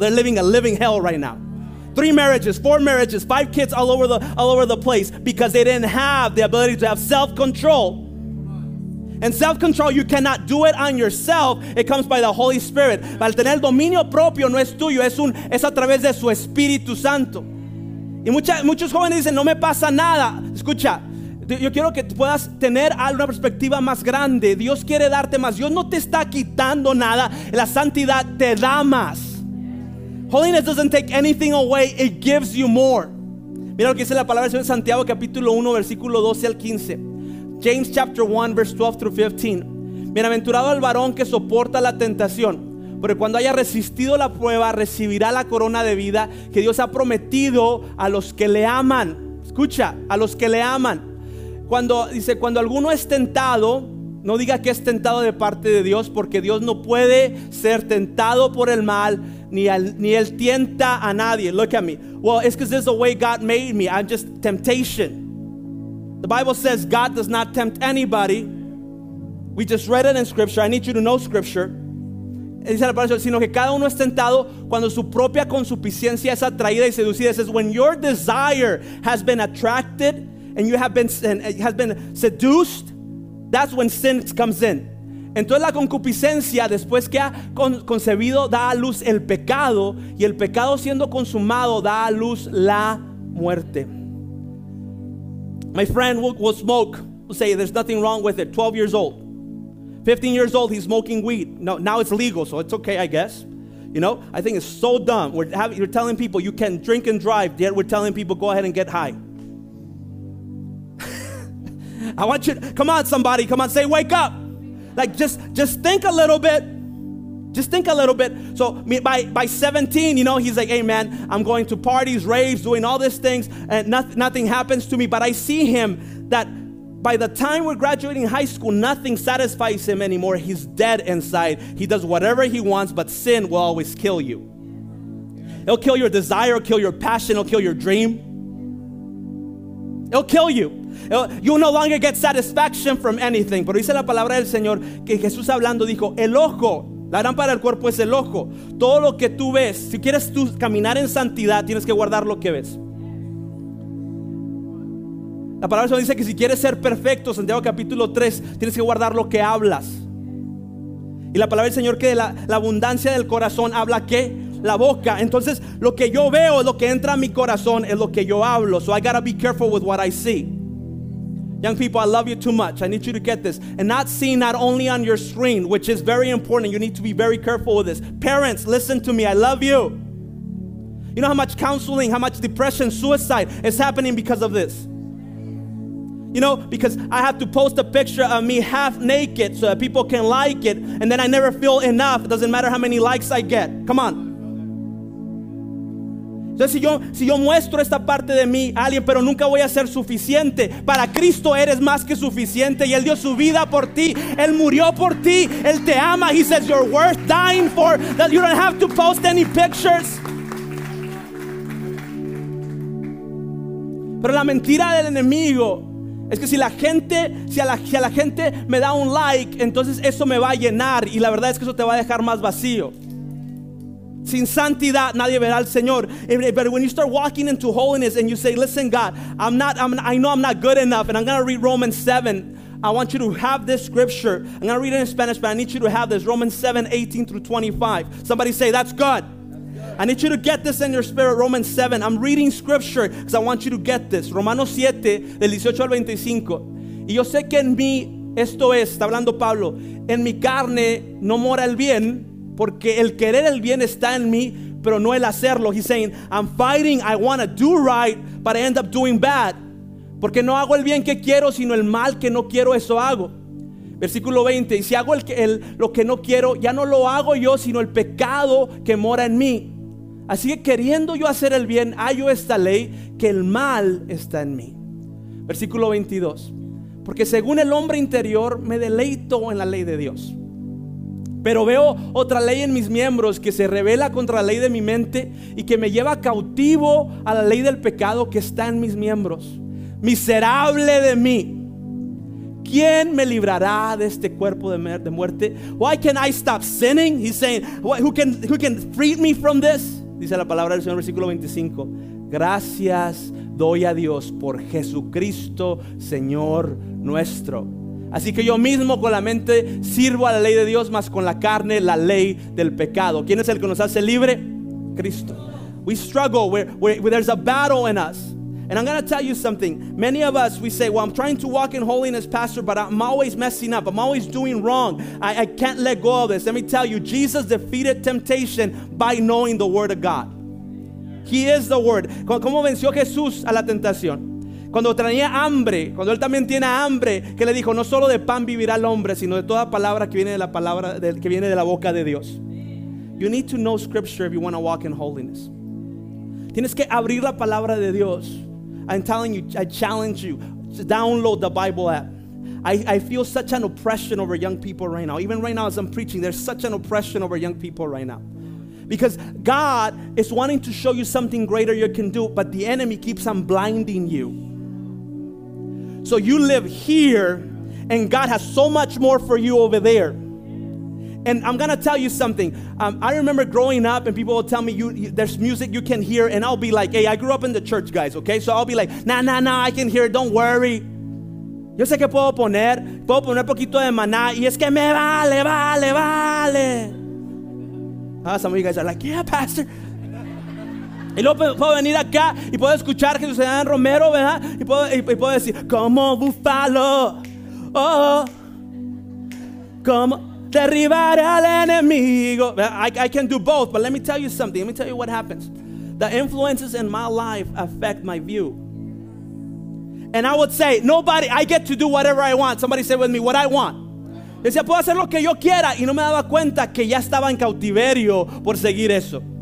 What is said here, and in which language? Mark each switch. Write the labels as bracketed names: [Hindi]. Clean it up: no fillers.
[English] They're living a living hell right now. Three marriages, four marriages, five kids all over the place because they didn't have the ability to have self-control. And self-control, you cannot do it on yourself. It comes by the Holy Spirit. [Spanish] Para tener dominio propio no es tuyo, es a través de su Espíritu Santo. Y muchos jóvenes dicen, no me pasa nada. Escucha, yo quiero que puedas tener una perspectiva más grande. Dios quiere darte más. Dios no te está quitando nada. La santidad te da más. [English] Holiness doesn't take anything away. It gives you more. [Spanish] Mira lo que dice la palabra del Señor en Santiago capítulo 1, versículo 12 al 15. [English] James chapter 1 verse 12 through 15. [Spanish] Bienaventurado el varón que soporta la tentación, porque cuando haya resistido la prueba recibirá la corona de vida que Dios ha prometido a los que le aman. Escucha, a los que le aman. Cuando dice, cuando alguno es tentado, no diga que es tentado de parte de Dios, porque Dios no puede ser tentado por el mal, ni él tienta a nadie. [English] Look at me. Well, it's because this is the way God made me. I'm just temptation. The Bible says God does not tempt anybody. We just read it in Scripture. I need you to know Scripture. [Spanish] Dice la palabra, sino que cada uno es tentado cuando su propia consuficiencia es atraída y seducida. [English] It says when your desire has been attracted and you have been seduced, that's when sin comes in. [Spanish] Entonces la concupiscencia, después que ha concebido, da a luz el pecado, y el pecado siendo consumado da a luz la muerte. [English] My friend will smoke, will say there's nothing wrong with it. 12 years old, 15 years old, he's smoking weed. No, now it's legal, so it's okay, I guess. You know, I think it's so dumb. You're telling people you can drink and drive, yet we're telling people go ahead and get high. I want you to, come on somebody, come on, say wake up. Like just think a little bit. Just think a little bit. So by 17, you know, he's like, hey man, I'm going to parties, raves, doing all these things, and nothing happens to me. But I see him that by the time we're graduating high school, nothing satisfies him anymore. He's dead inside. He does whatever he wants, but sin will always kill you. It'll kill your desire, it'll kill your passion, it'll kill your dream. It'll kill you. You no longer get satisfaction from anything. [Spanish] Pero dice la palabra del Señor que Jesús hablando dijo, el ojo. La lámpara del cuerpo es el ojo. Todo lo que tú ves, si quieres tú caminar en santidad, tienes que guardar lo que ves. La palabra del Señor dice que si quieres ser perfecto, Santiago capítulo 3, tienes que guardar lo que hablas. Y la palabra del Señor que de la abundancia del corazón habla ¿qué? La boca. Entonces lo que yo veo es lo que entra a mi corazón, es lo que yo hablo. [English] So I gotta be careful with what I see. Young people, I love you too much. I need you to get this. And not seeing not only on your screen, which is very important. You need to be very careful with this. Parents, listen to me. I love you. You know how much counseling, how much depression, suicide is happening because of this. You know, because I have to post a picture of me half naked so that people can like it. And then I never feel enough. It doesn't matter how many likes I get. Come on. [Spanish] Entonces si yo muestro esta parte de mí a alguien, pero nunca voy a ser suficiente. Para Cristo eres más que suficiente, y Él dio su vida por ti, Él murió por ti, Él te ama. [English] He says you're worth dying for, that you don't have to post any pictures. [Spanish] Pero la mentira del enemigo es que si a la gente me da un like, entonces eso me va a llenar, y la verdad es que eso te va a dejar más vacío. Sin santidad nadie verá al Señor. [English] But when you start walking into holiness and you say, listen God, I know I'm not good enough, and I'm going to read Romans 7. I want you to have this scripture. I'm going to read it in Spanish, but I need you to have this. Romans 7, 18 through 25. Somebody say, that's good. I need you to get this in your spirit. Romans 7. I'm reading scripture because I want you to get this. [Spanish] Romanos 7, del 18 al 25. Y yo sé que en mí, esto es, está hablando Pablo, en mi carne no mora el bien, porque el querer el bien está en mí, pero no el hacerlo. [English] He's saying, I'm fighting, I want to do right, but I end up doing bad. [Spanish] Porque no hago el bien que quiero, sino el mal que no quiero, eso hago. Versículo 20, y si hago lo que no quiero, ya no lo hago yo, sino el pecado que mora en mí. Así que queriendo yo hacer el bien, hallo esta ley, que el mal está en mí. Versículo 22, porque según el hombre interior, me deleito en la ley de Dios. Pero veo otra ley en mis miembros que se revela contra la ley de mi mente y que me lleva cautivo a la ley del pecado que está en mis miembros. Miserable de mí. ¿Quién me librará de este cuerpo de muerte? [English] Why can I stop sinning? He's saying, who can free me from this? [Spanish] Dice la palabra del Señor, versículo 25. Gracias doy a Dios por Jesucristo, Señor nuestro. Así que yo mismo con la mente sirvo a la ley de Dios, más con la carne la ley del pecado. ¿Quién es el que nos hace libre? Cristo. [English] We struggle, there's a battle in us. And I'm going to tell you something. Many of us, we say, well, I'm trying to walk in holiness, pastor, but I'm always messing up. I'm always doing wrong. I can't let go of this. Let me tell you, Jesus defeated temptation by knowing the word of God. He is the word. [Spanish] ¿Cómo venció Jesús a la tentación? Cuando tenía hambre, cuando él también tiene hambre, que le dijo, no solo de pan vivirá el hombre, sino de toda palabra que viene de la palabra de, que viene de la boca de Dios. [English] You need to know scripture if you want to walk in holiness. [Spanish] Tienes que abrir la palabra de Dios. [English] I'm telling you, I challenge you to download the Bible app. I feel such an oppression over young people right now. Even right now as I'm preaching, there's such an oppression over young people right now. Because God is wanting to show you something greater you can do, but the enemy keeps on blinding you. So you live here, and God has so much more for you over there. And I'm going to tell you something. I remember growing up, and people will tell me, you, there's music you can hear, and I'll be like, hey, I grew up in the church, guys, okay? So I'll be like, nah, I can hear it, don't worry. [Spanish] Yo sé que puedo poner poquito de Maná, y es que me vale. [English] Some of you guys are like, yeah, pastor. [Spanish] Y luego puedo venir acá y puedo escuchar que José Adán Romero, ¿verdad? Y puedo decir, como búfalo, oh, como derribar al enemigo. [English] I can do both, but let me tell you something. Let me tell you what happens. The influences in my life affect my view. And I would say, nobody, I get to do whatever I want. Somebody say with me, what I want. [Spanish] Decía, puedo hacer lo que yo quiera. Y no me daba cuenta que ya estaba en cautiverio por seguir eso.